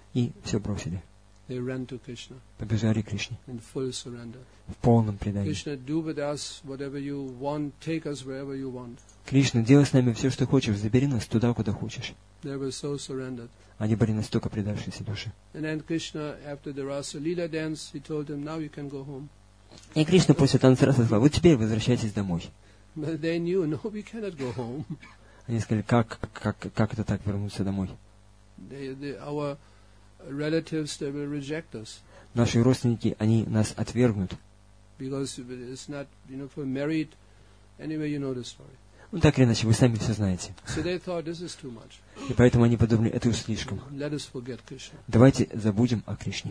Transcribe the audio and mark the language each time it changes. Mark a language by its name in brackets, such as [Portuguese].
[Russian] И все бросили. [English] They ran to Krishna. [Russian] Побежали к Кришне. [English] In full surrender. [Russian] В полном предании. [English] Krishna, do with us whatever you want. Take us wherever you want. [Russian] Кришна, делай с нами все, что хочешь. Забери нас туда, куда хочешь. [English] They were so surrendered. [Russian] Они были настолько предавшиеся души. [English] And then Krishna, after the Rasa Lila dance, he told them, now you can go home. [Russian] И Кришна после танца Раса сказал, вы теперь возвращайтесь домой. [English] But they knew, no, we cannot go home. [Russian] Они сказали, как это так вернуться домой? [English] Our relatives, they will reject us. [Russian] Наши родственники, они нас отвергнут. [English] Because it's not, you know, for married, anyway, you know the story. [Russian] Ну так или иначе, вы сами все знаете. [English] So they thought, this is too much. [Russian] И поэтому они подумали, это уж слишком. [English] Let us forget Krishna. [Russian] Давайте забудем о Кришне.